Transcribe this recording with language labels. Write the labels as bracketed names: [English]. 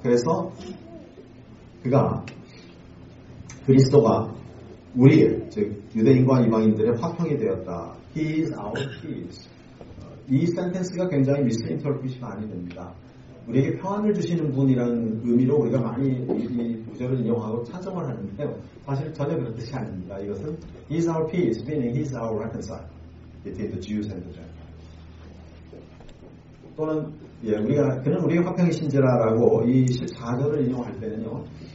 [Korean] 그래서 그리스도가 우리의 즉 유대인과 이방인들의 화평이 되었다. [English] He is our peace. [Korean] 이 센텐스가 굉장히 미스인터프리트가 많이 됩니다. 우리에게 평안을 주시는 분이라는 의미로 우리가 많이 이 구절을 인용하고 차점을 하는데요. 사실 전혀 그런 뜻이 아닙니다. 이것은 [English] He is our peace, meaning He is our reconciler between the Jews and the Gentiles. [Korean] 또는 예, 우리가 그는 우리의 화평이신지라라고 이 14절을 인용할 때는요.